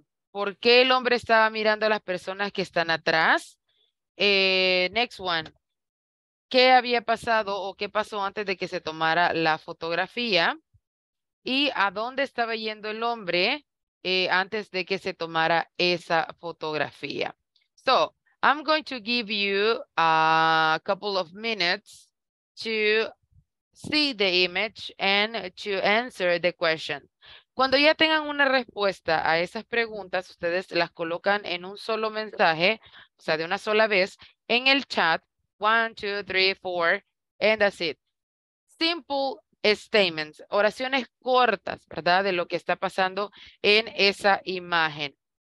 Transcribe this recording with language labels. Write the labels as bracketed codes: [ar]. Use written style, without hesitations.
[es] ¿Por qué el hombre estaba mirando a las personas que están atrás? [en] Next one. [es] ¿Qué había pasado o qué pasó antes de que se tomara la fotografía? ¿Y a dónde estaba yendo el hombre antes de que se tomara esa fotografía? [en] So, I'm going to give you a couple of minutes to see the image and to answer the question. [es] Cuando ya tengan una respuesta a esas preguntas, ustedes las colocan en un solo mensaje, o sea, de una sola vez, en el chat. [en] 1, 2, 3, 4, and that's it. Simple statements, [es] oraciones cortas, ¿verdad? De lo que está pasando en esa imagen.